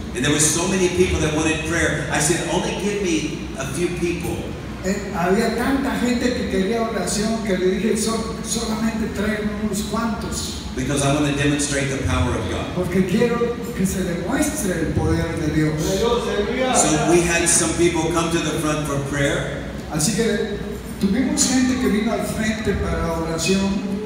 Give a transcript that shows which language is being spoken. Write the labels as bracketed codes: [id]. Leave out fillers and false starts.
[en] And there were so many people that wanted prayer. I said, "Only give me a few people." [es] había tanta gente que quería oración que le dije solamente traigo unos cuantos. [en] Because I want to demonstrate the power of God. [es] Porque quiero que se demuestre el poder de Dios. [en] So we had some people come to the front for prayer. [es] Así que tuvimos gente que vino al frente para oración.